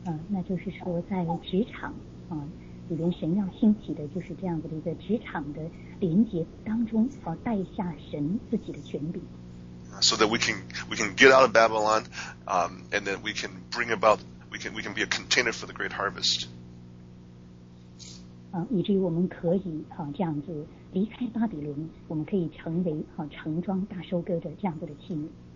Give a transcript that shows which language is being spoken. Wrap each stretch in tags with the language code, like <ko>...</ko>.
<zh>那就是说在职场里边神要兴起的就是这样的一个职场的连结当中带下神自己的权柄。</zh> <en>So that we can get out of Babylon, and then we can bring about we can be a container for the great harvest.</en> <zh>以至于我们可以这样子离开巴比伦，我们可以成为盛装大收割的这样子的器皿。</zh>